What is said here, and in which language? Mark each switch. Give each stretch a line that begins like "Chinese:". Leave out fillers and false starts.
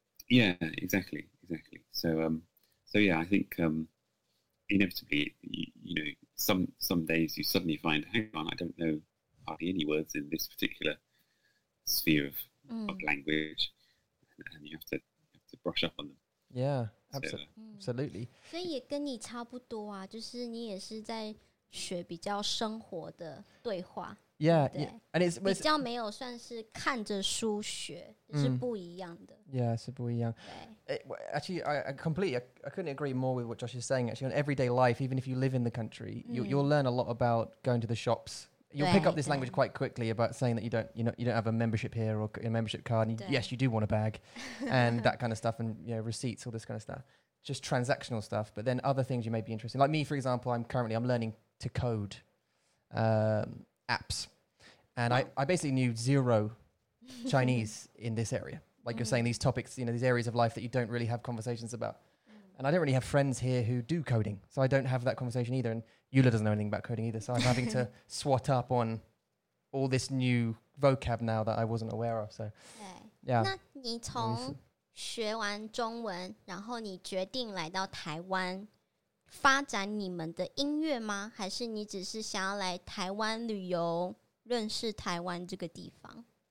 English: Yeah, exactly. So I think... inevitably, you know, some days you suddenly find, hang on, I don't know hardly any words in this particular sphere of language, and you have to brush up on them. Yeah, absolutely.
Chinese: 所以也跟你差不多啊，就是你也是在学比较生活的对话。
English: Yeah,
Chinese: 对
English: yeah. And it's
Chinese: 比较没有算是看着书学，是不一样的。 Yeah, 是不一样。
English: I couldn't agree more with what Josh is saying. Actually, on everyday life, even if you live in the country, you'll learn a lot about going to the shops. You'll pick up this language quite quickly about saying that you don't have a membership here or a membership card. Yes, you do want a bag, and that kind of stuff, and you know, receipts, all this kind of stuff, just transactional stuff. But then other things you may be interested in, like me, for example, I'm currently learning to code apps, and I basically knew zero Chinese in this area. Like you're saying, these topics, you know, these areas of life that you don't really have conversations about. And I don't really have friends here who do coding, so I don't have that conversation either. And Yula doesn't know anything about coding either, so I'm having to swat up on all this new vocab now that I wasn't aware of. So, yeah.
Chinese: 那你从学完中文，然后你决定来到台湾，发展你们的音乐吗？还是你只是想要来台湾旅游，认识台湾这个地方？